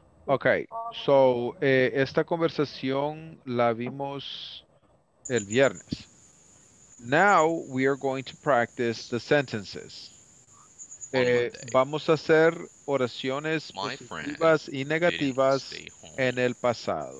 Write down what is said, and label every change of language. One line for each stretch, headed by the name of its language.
English: Okay, so
Spanish: esta conversación la vimos el viernes.
English: Now we are going to practice the sentences.
Spanish: Vamos a hacer oraciones positivas y negativas en el pasado.